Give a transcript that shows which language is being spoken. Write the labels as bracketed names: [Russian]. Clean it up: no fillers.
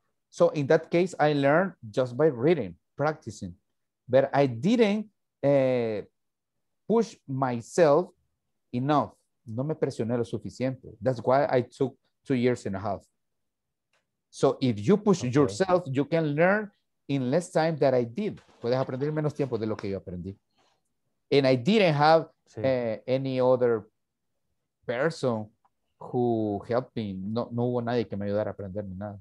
[English] So in that case, I learned just by reading, practicing. But I didn't push myself enough. [Spanish] No me presioné lo suficiente. [English] That's why I took 2 years and a half. So if you push yourself, you can learn in less time than I did. [Spanish] Puedes aprender menos tiempo de lo que yo aprendí. [English] And I didn't have any other person who helped me. [Spanish] No hubo nadie que me ayudara a aprender ni nada.